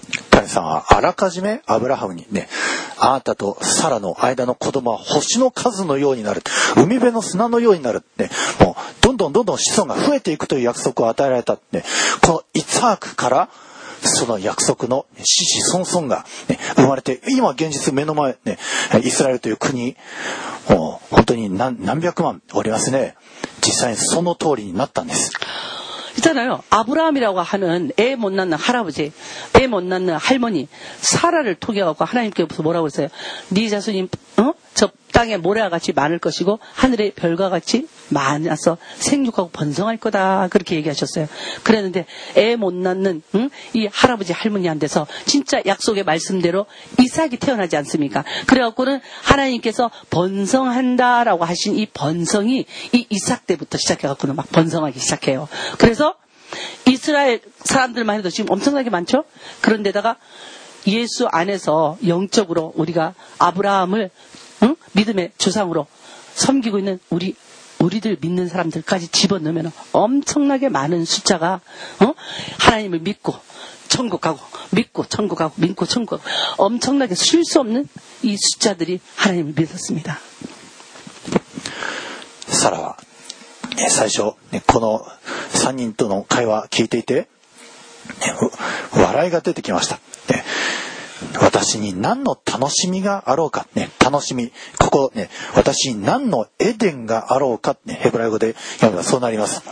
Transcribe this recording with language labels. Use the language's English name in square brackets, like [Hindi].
[Japanese] タネさんはあらかじめアブラハムにね、あなたとサラの間の子供は星の数のようになる、海辺の砂のようになる、ね、もうどんどんどんどん子孫が増えていくという約束を与えられた、ね、このイツハークからその約束の子子孫孫が、ね、生まれて、今現実目の前、ね、イスラエルという国、もう本当に 何百万おりますね。実際にその通りになったんです。 [Korean] 있잖아요. 아브라함이라고 하는 애 못 낳는 할아버지, 애 못 낳는 할머니 사라를 통해 갖고 하나님께서 뭐라고 했어요? 네 자손이 어? 저 땅에 모래와 같이 많을 것이고 하늘의 별과 같이 많아서 생육하고 번성할 거다 그렇게 얘기하셨어요. 그랬는데 애 못 낳는 응? 이 할아버지 할머니한테서 진짜 약속의 말씀대로 이삭이 태어나지 않습니까? 그래갖고는 하나님께서 번성한다라고 하신 이 번성이 이 이삭 때부터 시작해갖고는 막 번성하기 시작해요. 그래서 이스라엘 사람들만 해도 지금 엄청나게 많죠? 그런데다가 예수 안에서 영적으로 우리가 아브라함을 응? 믿음의 조상으로 섬기고 있는 우리들 믿는 사람들까지 집어넣으면 엄청나게 많은 숫자가 어? 하나님을 믿고 천국 가고 믿고 천국 가고 믿고 천국 가고 엄청나게 쉴 수 없는 이 숫자들이 하나님을 믿었습니다. [Japanese] 사라와 最初この3人との会話聞いていて笑いが出てきました。私に何の楽しみがあろうか、ね、楽しみ、ここね、私に何のエデンがあろうか、ね、ヘブライ語で読めばそうなります。